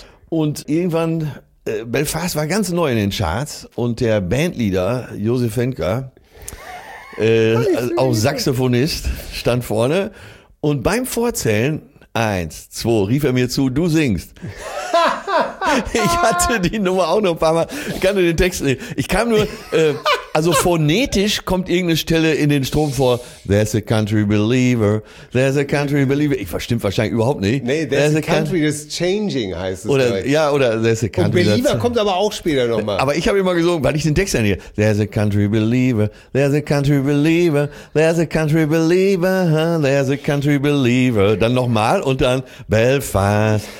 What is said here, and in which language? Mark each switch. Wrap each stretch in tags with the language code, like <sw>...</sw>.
<de>Und irgendwann, Belfast war ganz neu in den Charts und der Bandleader Josef Henker, auch Saxophonist, stand vorne und beim Vorzählen, 1, 2, rief er mir zu, du singst. Ich hatte die Nummer auch noch ein paar Mal. Ich kann nur den Text nicht. Ich kam nur, also phonetisch kommt irgendeine Stelle in den Strom vor.</de> <en>There's a country believer. There's a country believer.</en> <de>Ich verstimmt wahrscheinlich überhaupt nicht. Nee,</de> <en>there's a country that's changing</en> <de>heißt es. Oder, gleich. Ja, oder</de> <en>there's a country.</en> <de>Und believer kommt aber auch später nochmal. Aber ich habe immer gesungen, weil ich den Text ja nicht.</de> <en>There's a country believer. There's a country believer. There's a country believer. There's a country believer.</en> <de>Dann nochmal und dann Belfast.</de>